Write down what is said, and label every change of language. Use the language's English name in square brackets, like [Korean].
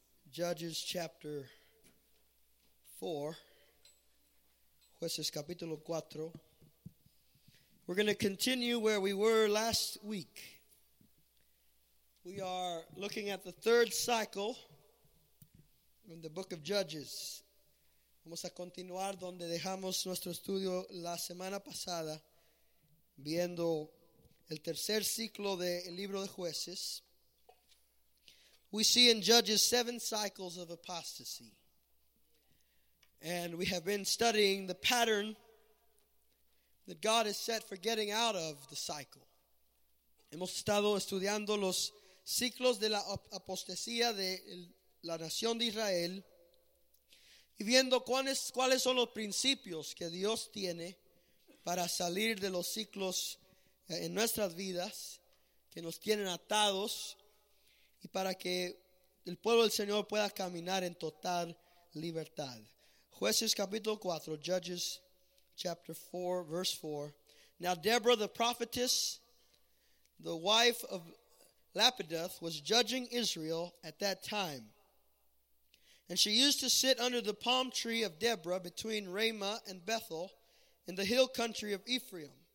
[English] Judges chapter 4. [Spanish] Jueces capítulo 4. [English] We're going to continue where we were last week. We are looking at the third cycle in the book of Judges. [Spanish] Vamos a continuar donde dejamos nuestro estudio la semana pasada, viendo el tercer ciclo del libro de jueces. [English] We see in Judges 7 cycles of apostasy. And we have been studying the pattern that God has set for getting out of the cycle. [Spanish] Hemos estado estudiando los ciclos de la apostasía de la nación de Israel y viendo cuáles son los principios que Dios tiene para salir de los ciclos en nuestras vidas que nos tienen atados y para que el pueblo del Señor pueda caminar en total libertad. Jueces capítulo 4, [English] Judges chapter 4, verse 4. Now Deborah the prophetess, the wife of Lapidoth, was judging Israel at that time. And she used to sit under the palm tree of Deborah between Ramah and Bethel in the hill country of Ephraim.